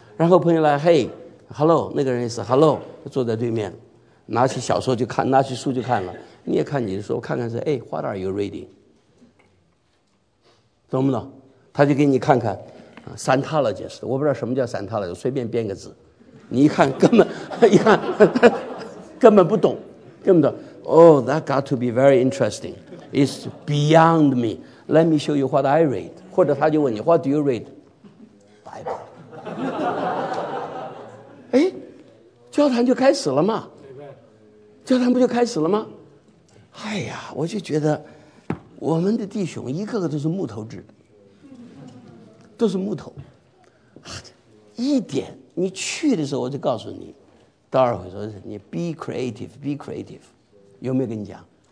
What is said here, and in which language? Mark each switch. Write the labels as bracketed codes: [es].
[zh] 然后朋友来，嘿 hello， 那个人也是 hello， 坐在对面拿起小说就看，拿起书就看了，你也看你的书，看看是哎 [en] what are you reading， [zh] 懂不懂？他就给你看看Scientology， 我不知道什么叫 Scientology， 随便编个字，你一看根本一看根本不懂，根本懂。 [en] Oh, that got to be very interesting. It's beyond me. Let me show you what I read. [zh] 或者他就问你 [en] What do you read? Bible. [zh] 哎，交谈就开始了嘛，交谈不就开始了吗？哎呀，我就觉得我们的弟兄一个个都是木头制的。都是木头，一点你去的时候我就告诉你，到二回说你 [en] be creative， be creative， [zh] 有没有跟你讲？